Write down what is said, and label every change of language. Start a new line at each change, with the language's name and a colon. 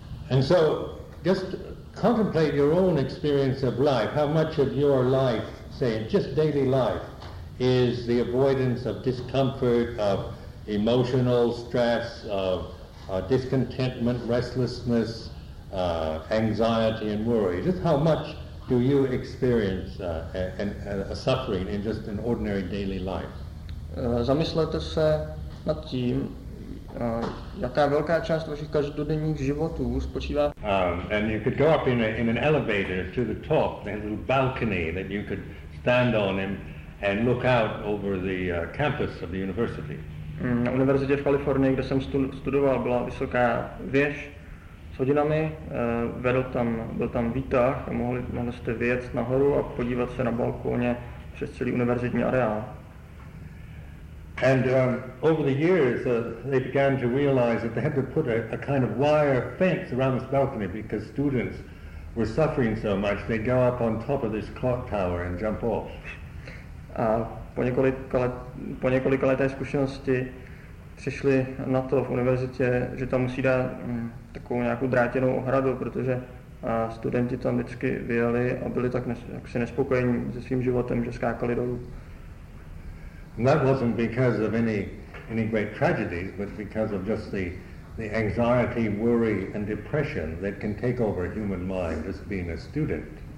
English: And so, just contemplate your own experience of life, how much of your life, say, just daily life, is the avoidance of discomfort, of emotional stress, of discontentment, restlessness, anxiety and worry. Just how much do you experience a suffering in just an ordinary daily life?
Czech: Zamyslete se nad tím, jaká velká část vašich každodenních životů spočívá.
English: And you could go up in an elevator to the top, a little balcony that you could stand on and look out over the campus of the university.
Czech: Na univerzitě v Kalifornii, kde jsem studoval, byla vysoká věž s hodinami, byl tam výtah a mohli jste vyjet nahoru a podívat se na balkóně přes celý univerzitní areál.
English: And over the years they began to realize that they had to put a kind of wire fence around this balcony because students were suffering so much they'd go up on top of this clock tower and jump off.
Czech: A po několika leté zkušenosti přišli na to v univerzitě, že tam musí dát takovou nějakou drátěnou ohradu, protože studenti tam vždycky vyjeli a byli tak jaksi nespokojení se svým životem, že skákali dolů.
English: That wasn't because of any great tragedies, but because of just the anxiety, worry and depression that can take over a human mind as being a student.